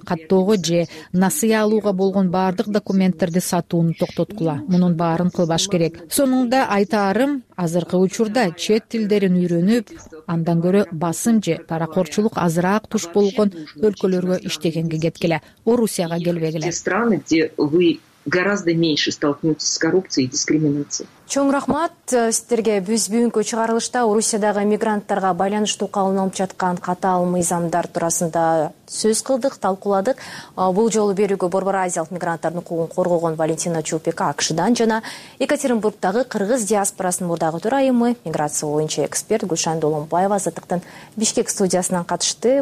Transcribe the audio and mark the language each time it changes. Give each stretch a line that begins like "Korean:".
Kyrgyz: Каттоого же насыя алууга болгон баардык документтерди сатууну токтоткула. Мунун баарын кылбаш керек. Сонунда айтаарым, азыркы учурда чет тилдерин үйрөнүп, андан көрө басым же паракорчулук азыраак туш болгон өлкөлөргө иштегенге кеткиле. Орусияга келбегиле.
Russian: Страны, где вы гораздо меньше столкнётесь с коррупцией и дискриминацией.
Kyrgyz: Чоң рахмат силерге. Биз бүгүнкү чыгарылышта Орусиядагы мигранттарга байланыштуу калынып жаткан катаал мыйзамдар туурасында сөз кылдык, талкууладык. Бул жолу берүүгө борбор азиялык мигранттардын укугун коргогон Валентина Чупика АКШдан жана Екатеринбургтагы кыргыз диаспорасынын мурдагы төрайымы, миграция боюнча эксперт Гүлшан Долонбаева Азаттыктын Бишкек студиясынан катышты.